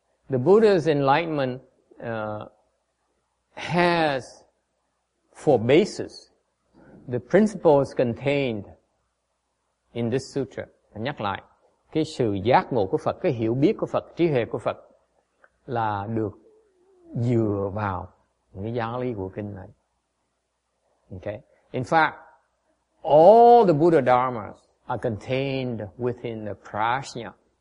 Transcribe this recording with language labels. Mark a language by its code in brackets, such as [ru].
[en] The Buddha's enlightenment has for basis the principles contained in this sutra. [vi] Nhắc lại, cái sự giác ngộ của Phật, cái hiểu biết của Phật, trí huệ của Phật là được dựa vào những cái giáo lý của kinh này. [en] Okay. In fact, all the Buddha dharmas are contained within the prajna.